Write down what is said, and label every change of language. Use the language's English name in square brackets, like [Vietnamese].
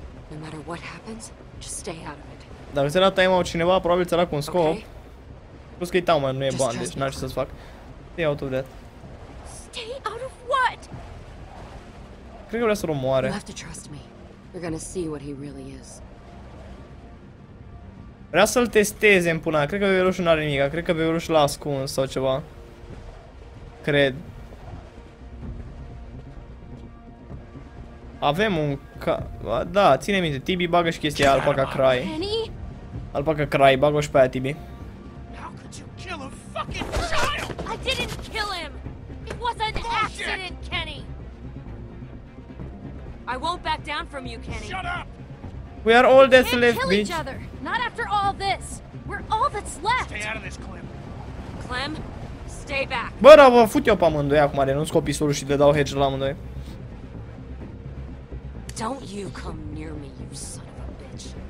[English] No matter what happens, just stay out of it. [Romanian] Dar ți-a dat taima cineva, probabil ți-a dat cu un scop. Okay. Plus că e taima, nu e bani, deci n-aș să-ți fac. [English] Stay out of that. Stay out of what? [Romanian] Cred că vrea să-l omoare. [English] You have to trust me. You're gonna see what he really is. [Romanian] Vrea să-l testeze în pună. Cred că bebelușul n-are nimic. Cred că bebelușul l-a ascuns sau ceva. Cred. Avem un ca... Da, ține minte. Tibi, bagă și chestia alpaca cry. Alpaca cry, bagă și pe aia, Tibi. [English] How could you kill a fucking child? I didn't kill him. It was an accident, Kenny. I won't back down from you, Kenny. Shut up. We are all that's left, bitch. We can't kill each other. Not after all this. We're all that's left. Stay out of this, Clem. Clem, stay back. [Romanian] Bă, dar vă fut eu pe amândoi acum, renunț copisul și le dau hedge la amândoi. [English] Don't you come near me, you son of a bitch.